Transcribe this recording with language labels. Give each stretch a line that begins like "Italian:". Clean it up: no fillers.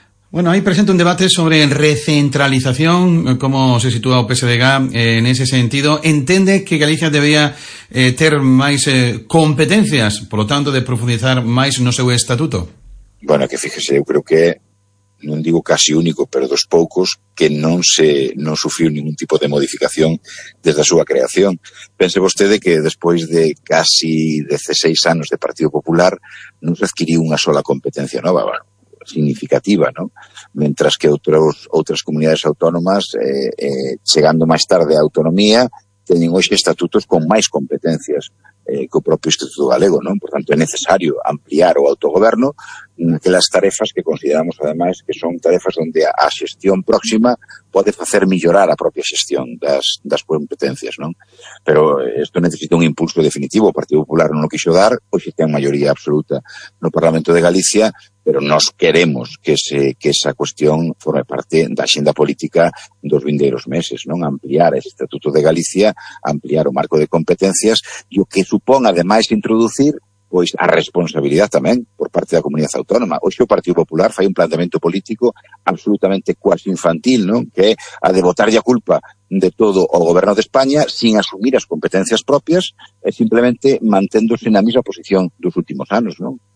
Spanish: Bueno, ahí presenta un debate sobre recentralización, cómo se sitúa o PSDG en ese sentido.
Galician: ¿Entende que Galicia debería ter máis competencias, por lo tanto, de profundizar máis no seu estatuto? Bueno, que fíjese, eu creo que, non digo casi único, pero dos poucos, que non sufriu ningún tipo de modificación desde a súa creación. Pense vostede que despois de casi 16 anos de Partido Popular non se adquiriu unha sola competencia nova, bueno, significativa, ¿no?
Spanish: Mientras que otras comunidades autónomas, llegando más tarde a autonomía, tienen hoy estatutos con más competencias que el propio Instituto Galego, ¿no? Por tanto, es necesario ampliar o autogobierno que las tarefas que consideramos además que son tarefas donde a gestión próxima puede hacer mejorar la propia gestión das competencias, ¿no? Pero esto necesita un impulso definitivo. El Partido Popular no lo quiso dar, hoy se tiene mayoría absoluta en el Parlamento de Galicia, pero nos queremos que esa cuestión forme parte da xenda política dos vindeiros meses, non?
Galician: Ampliar ese Estatuto de Galicia, ampliar o marco de competencias, e o que supón, ademais, introducir pois a responsabilidade tamén por parte da comunidade autónoma. Hoxe o Partido Popular fai un planteamento político absolutamente quase infantil, non? Que é a de botarlle a culpa de todo o goberno de España sin asumir as competencias propias e simplemente manténdose na mesma posición dos últimos anos, non?